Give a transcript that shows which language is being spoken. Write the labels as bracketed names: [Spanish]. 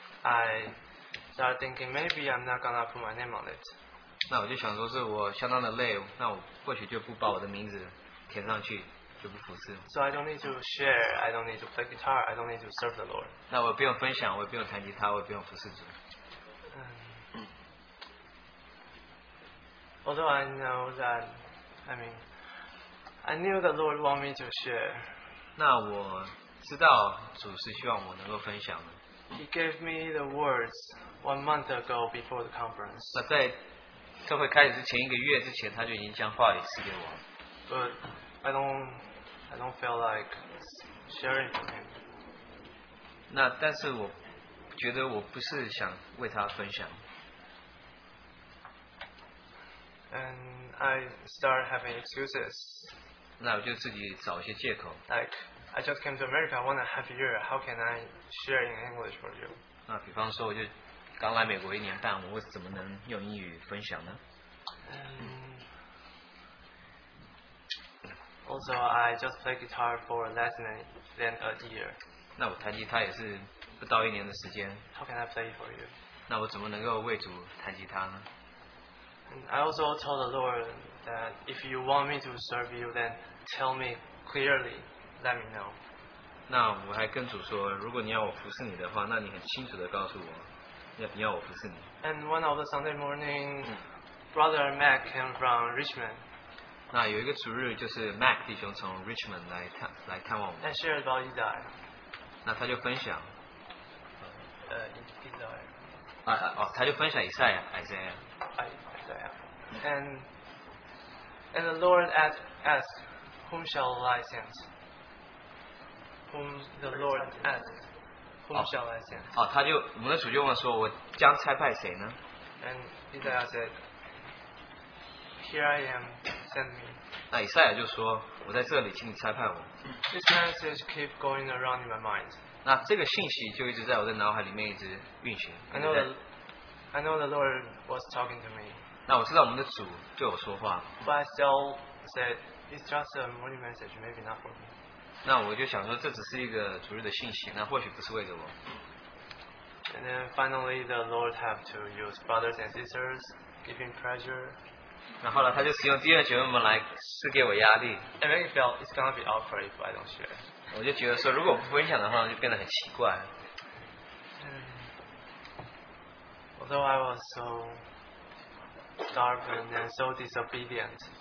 [English] I started thinking maybe I'm not gonna put my name on it. [Chinese] 那我就想说，是我相当的累，那我或许就不把我的名字填上去，就不服侍。 [English] So I don't need to share. I don't need to play guitar. I don't need to serve the Lord. [Chinese] 那我不用分享，我也不用弹吉他，我也不用服侍主。 [English] Although I know that, I mean. I knew the Lord wanted me to share. [Chinese] 那我知道主是希望我能够分享的。 [English] He gave me the words 1 month ago before the conference. [Chinese] 那在特会开始之前一个月之前，他就已经将话语赐给我。 [English] But I don't feel like sharing with him. [Chinese] 那但是我觉得我不是想为他分享。 [English] And I start having excuses. [Chinese] 那我就自己找一些借口。 [English] Like I just came to America 1.5 years. How can I share in English for you? [Chinese] 那比方说我就刚来美国一年半，我怎么能用英语分享呢？ [English] Also, I just play guitar for less than a year. [Chinese] 那我弹吉他也是不到一年的时间。 [English] How can I play for you? [Chinese] 那我怎么能够为主弹吉他呢？ [English] And I also told the Lord that if you want me to serve you, then tell me clearly, let me know. [Chinese] 那我还跟主说，如果你要我服侍你的话，那你很清楚地告诉我，你要我服侍你。 [English] And one of the Sunday morning, Brother Mac came from Richmond. [Chinese] 那有一个主日，就是 Mac 弟兄从 Richmond 来探望我们。 [English] And shared about his eye. [Chinese] 那他就分享。 [English] His eye. [Chinese] 他就分享以赛亚 Isaiah. [English] Isaiah. And the Lord asked, "Whom shall I send?" Whom the Lord asked, "Whom shall I send?" [Chinese] 他就我们的主就问说，我将差派谁呢 [English] ？And Isaiah said. Here I am, send me. [Chinese] 那以赛亚就说，我在这里，请你差派我。 [English] This message keep going around in my mind. [Chinese] 那这个信息就一直在我的脑海里面一直运行。 [English] I know the Lord was talking to me. [Chinese] 那我知道我们的主对我说话。 [English] But I still said it's just a morning message, maybe not for me. [Chinese] 那我就想说，这只是一个主日的信息，那或许不是为着我。 [English] And then finally, the Lord have to use brothers and sisters giving pressure. [Chinese] 然后呢，他就使用第二姐妹们来施给我压力。 [English] And then he felt it's gonna be awkward if I don't share. [Chinese] 我就觉得说，如果我不分享的话，就变得很奇怪。 [English] Although I was so stubborn and so disobedient.